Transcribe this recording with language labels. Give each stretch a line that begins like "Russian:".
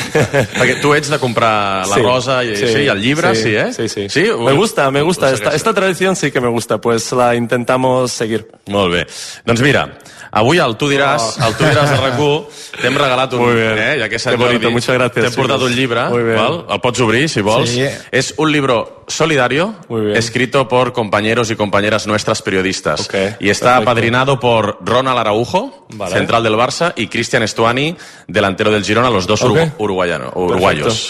Catalan: Perquè tu ets de comprar la rosa i el llibre,
Spanish: Sí. Me gusta. Esta tradició sí que me gusta, pues la intentamos seguir.
Catalan: Molt bé. Doncs mira, avui el tu diràs de RAC1, t'hem regalat ja que Sant Jordi,
Spanish: muchas gracias.
Catalan: T'hem portat un llibre, val? El pots obrir si vols. Sí.
Spanish: És un libro solidario escrito por compañeros y compañeras nuestras periodistas. Okay. Y está apadrinado por Ronald Araujo, central del Barça, y Cristian Estuani, delantero del Girona, los dos uruguayos.